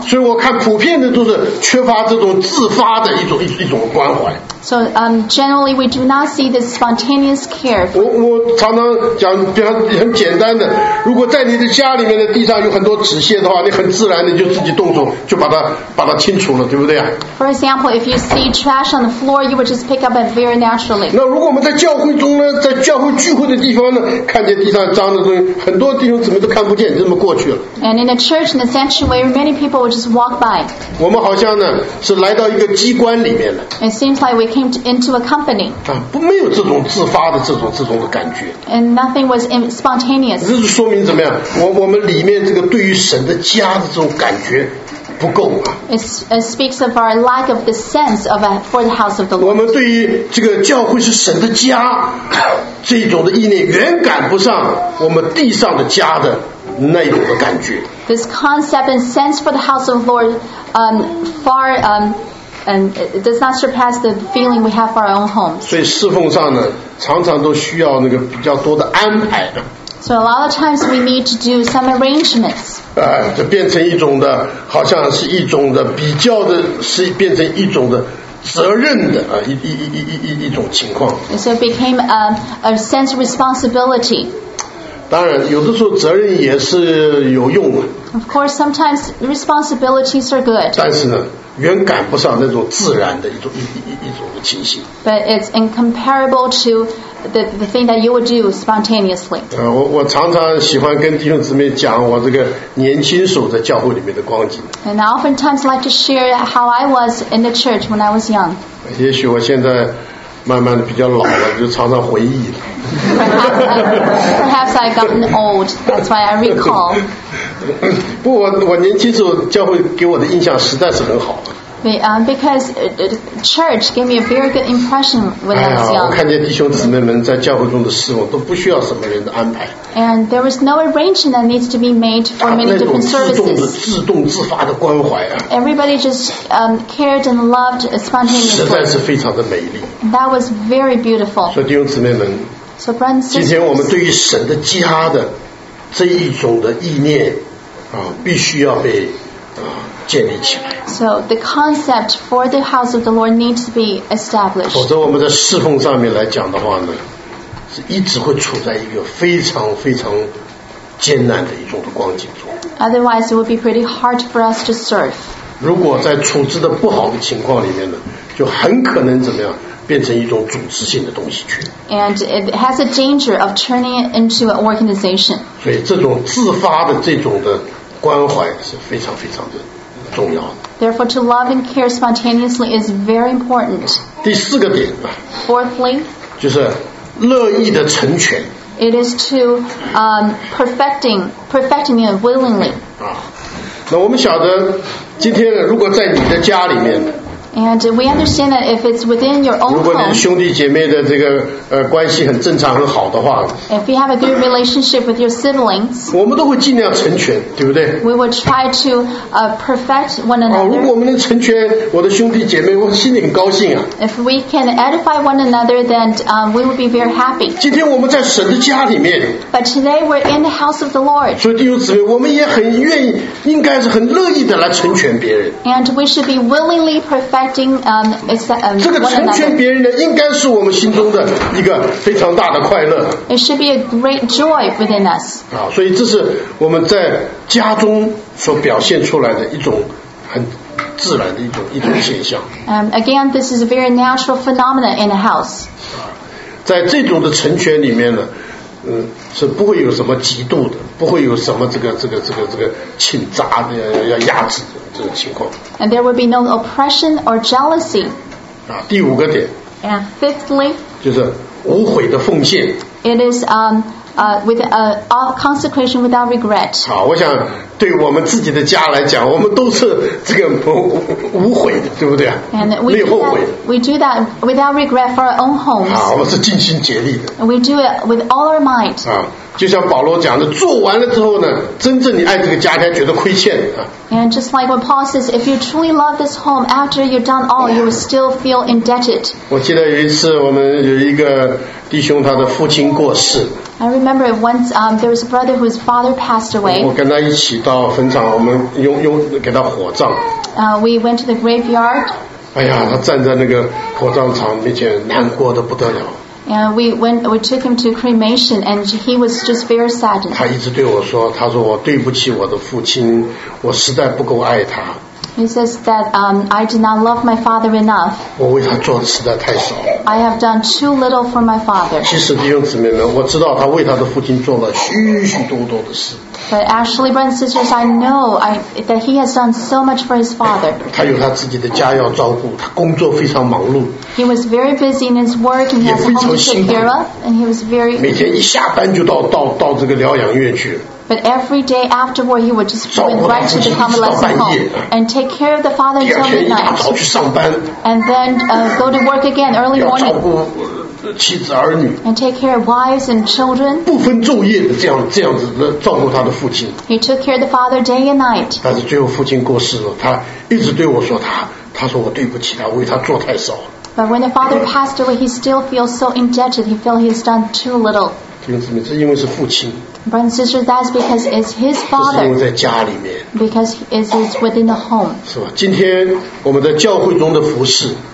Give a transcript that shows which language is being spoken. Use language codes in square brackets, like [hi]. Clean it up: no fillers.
[zh] 所以我看普遍的都是缺乏这种自发的一种关怀。 [en] So generally we do not see this spontaneous care. [zh] 我常常讲比较很简单的，如果在你的家里面的地上有很多纸屑的话，你很自然的就自己动手就把它清除了，对不对啊？ [en] For example, if you see trash on the floor, you would just pick up it very naturally. [zh] 那如果我们在教会中呢，在教会聚会的地方呢，看见地上脏的东西，很多弟兄姊妹都看不见，这么过去了。 [en] And in the church, in the sanctuary, many people would just walk by. [zh] 我们好像呢是来到一个机关里面了。 [en] It seems like we came into a company. [zh] 没有这种自发的这种的感觉。 [en] And nothing was spontaneous. [zh] 这就说明怎么样？我们里面这个对于神的家的这种感觉。不够啊、 [en] it speaks of our lack of the sense of for the house of the Lord. [zh] 我们对于这个教会是神的家，这种的意念远赶不上我们地上的家的那种的感觉。 [en] This concept and sense for the house of the Lord, it does not surpass the feeling we have for our own homes. [zh] 所以侍奉上呢，常常都需要那个比较多的安排的。 [en] So a lot of times we need to do some arrangements. [zh] 这变成一种的，好像是一种的比较的，是变成一种的责任的啊，一种情况。 [en] So it became a sense of responsibility. [zh] 当然，有的时候责任也是有用的。 [en] Of course, sometimes responsibilities are good. [zh] 但是呢，远赶不上那种自然的一种的情形。 [en] But it's incomparable to the thing that you would do spontaneously. [zh] 我常常喜欢跟弟兄姊妹讲我这个年轻时候在教会里面的光景。 [en] And I oftentimes like to share how I was in the church when I was young. [zh] 也许我现在慢慢的比较老了，就常常回忆了。 [en] Perhaps I've gotten old. That's why I recall. [zh] 不，我年轻时候教会给我的印象实在是很好。 [en] Because the church gave me a very good impression when I was young. [zh] 我看见弟兄姊妹们在教会中的侍奉都不需要什么人的安排。 [en] And there was no arrangement that needs to be made for many different services. [zh] 那种自动自发的关怀啊。 [en] Everybody just cared and loved spontaneously. [zh] 实在是非常的美丽。 [en] That was very beautiful. [zh] 所以弟兄姊妹们。 [en] So brothers and sisters. [zh] 今天我们对于神的家的这一种的意念必须要被建立起来。 [en] So the concept for the house of the Lord needs to be established. [zh] 否则我们在侍奉上面来讲的话呢，是一直会处在一个非常非常艰难的一种的光景中。 [en] Otherwise, it would be pretty hard for us to serve. [zh] 如果在处置的不好的情况里面呢，就很可能怎么样，变成一种组织性的东西去。 [en] And it has a danger of turning it into an organization. [zh] 所以这种自发的这种的关怀是非常非常的。 [en] Therefore, to love and care spontaneously is very important. [zh] 第四个点吧。 [en] Fourthly, [zh] 就是乐意的成全。 [en] It is to perfecting it willingly. [zh] 那我们晓得，今天如果在你的家里面。 [en] And we understand that if it's within your own home, [zh] 如果你兄弟姐妹的这个关系很正常很好的话， [en] if you have a good relationship with your siblings, [zh] 我们都会尽量成全，对不对？ [en] We would try to perfect one another. [zh] 如果我们能成全我的兄弟姐妹，我心里很高兴啊。 [en] If we can edify one another, then we would be very happy. [zh] 今天我们在神的家里面， [en] but today we're in the house of the Lord. [zh] 所以弟兄姊妹，我们也很愿意，应该是很乐意的来成全别人。 [en] And we should be willingly perfect. [zh] 这个成全别人的应该是我们心中的一个非常大的快乐。 [en] It should be a great joy within us. [zh] 所以这是我们在家中所表现出来的一种很自然的一种现象。 [en] Again, this is a very natural phenomenon in a house. [zh] 在这种的成全里面呢，是不会有什么嫉妒的，不会有什么这个请砸的要压制的这种情况。 [en] And there would be no oppression or jealousy. [zh] 第五个点。 [en] And fifthly. [zh] 就是无悔的奉献。 [en] It is with a consecration without regret. [zh] 我想对我们自己的家来讲，我们都是这个无悔的，对不对？ [en] And we [zh] 没有后悔的。 [en] We do that without regret for our own homes. [zh] 我们是尽心竭力的。 [en] We do it with all our might. [zh] 就像保罗讲的，做完了之后呢，真正你爱这个家才觉得亏欠啊。 [en] And just like what Paul says, if you truly love this home, after you've done all, you will still feel indebted. [zh] 我记得有一次，我们有一个弟兄，他的父亲过世。 [en] I remember once there was a brother whose father passed away. [zh] 我跟他一起到坟场，我们用给他火葬。 [en] We went to the graveyard. [zh] 哎呀，他站在那个火葬场面前，难过的不得了。 [en] And we took him to cremation, and he was just very saddened. [zh] 他一直对我说，他说我对不起我的父亲，我实在不够爱他。 [en] He says that I did not love my father enough. [zh] 我为他做的实在太少。 [en] I have done too little for my father. [zh] 其实弟兄姊妹们，我知道他为他的父亲做了许许多多的事。 [en] But actually, brothers and sisters, I know that he has done so much for his father. [zh] 他有他自己的家要照顾，他工作非常忙碌。 [en] He was very busy in his work and he had home to take care of, and he was very. [zh] 每天一下班就到这个疗养院去。 [en] But every day afterward, he would just go right to the convalescent home and take care of the father until midnight. And then go to work again early morning. [zh] 妻子儿女。 [en] And take care of wives and children. [zh] 不分昼夜的这样子的照顾他的父亲。 [en] He took care of the father day and night. [zh] 但是最后父亲过世了，他一直对我说他说我对不起他，为他做太少。 [en] But when the father passed away, he still feels so indebted. He feels he's done too little. [zh] 这因为是父亲。 [en] Brother and sister, that's because it's his father. [zh] 是因为在家里面。 [en] Because it's within the home. [zh] 是吧？今天我们在教会中的服事。